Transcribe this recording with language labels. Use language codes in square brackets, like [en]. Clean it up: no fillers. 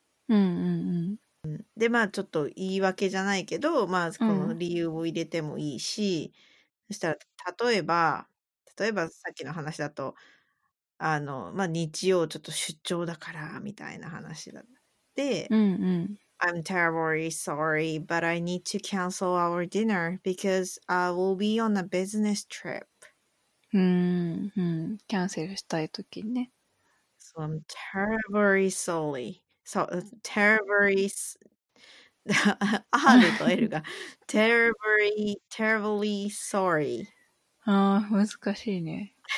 [ja] うんうんうん。で、まあちょっと言い訳じゃないけど、まあこの理由を入れてもいいし、うん、そしたら、例えばさっきの話だと、あのまあ、日曜ちょっと出張だからみたいな話だって、うんうん、 [en] I'm terribly sorry but I need to cancel our dinner because I will be on a business trip、 [ja] うんうん、キャンセルしたい時ね、 [en] So I'm terribly sorry so, terribly [ja] R と L が [en] terribly sorry、 [ja] ああ難しいね